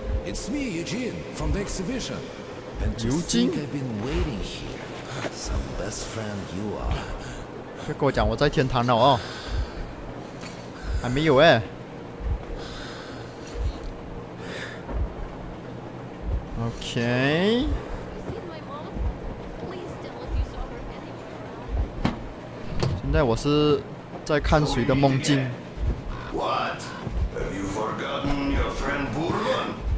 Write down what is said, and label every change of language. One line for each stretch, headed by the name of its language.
English: It's me, Eugene, from the exhibition. And you think I've been waiting here? Some best friend you are.
Chinese: 别跟我讲我在天堂了哦，还没有哎。
English: Okay. Please,
Chinese: 现在我是在看谁的梦境
English: ？What? Have you forgotten your friend Bourbon?